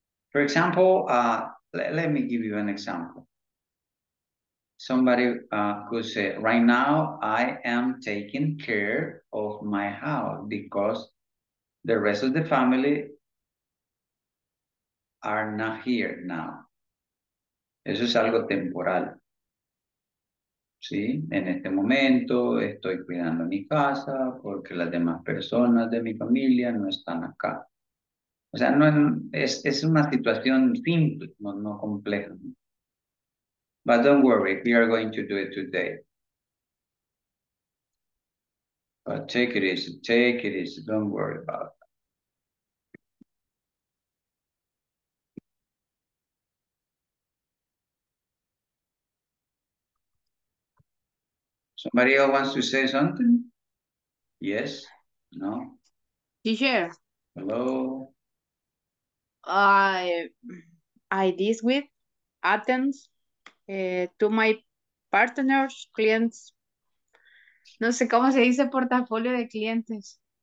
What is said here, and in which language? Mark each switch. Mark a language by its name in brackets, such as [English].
[English] For example, let me give you an example. Somebody could say, right now I am taking care of my house because the rest of the family are not here now. [Spanish] Eso es algo temporal. ¿Sí? En este momento estoy cuidando mi casa porque las demás personas de mi familia no están acá. O sea, no es una situación simple, no compleja. [English] But don't worry, we are going to do it today. But take it easy, don't worry about it. Somebody else wants to say something? Yes? No? Teacher. Hello? I this week attends to my partners, clients. [Spanish] No sé cómo se dice portafolio de clientes.